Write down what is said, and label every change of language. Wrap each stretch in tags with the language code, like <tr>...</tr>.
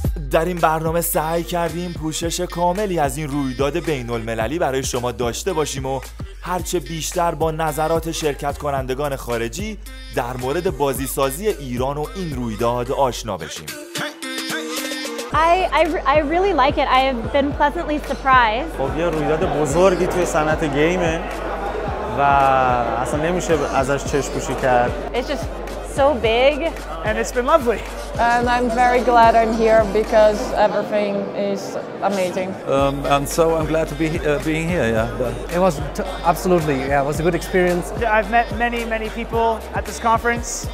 <fa>در این برنامه سعی کردیم پوشش کاملی از این رویداد بین المللی برای شما داشته باشیم و هرچه بیشتر با نظرات شرکت کنندگان خارجی در مورد بازی سازی ایران و این رویداد آشنا بشیم.</fa> <en>I really like it. I have been pleasantly surprised.</en> <fa>خب یه رویداد بزرگی توی صنعت گیمه و اصلا نمیشه ازش چشم پوشی کرد.</fa> <en>It's just so big and it's been lovely. And I'm very glad I'm here because everything is amazing. And so I'm glad to be being here. Yeah. It was absolutely. Yeah. It was a good experience. I've met many, many people at this conference.</en>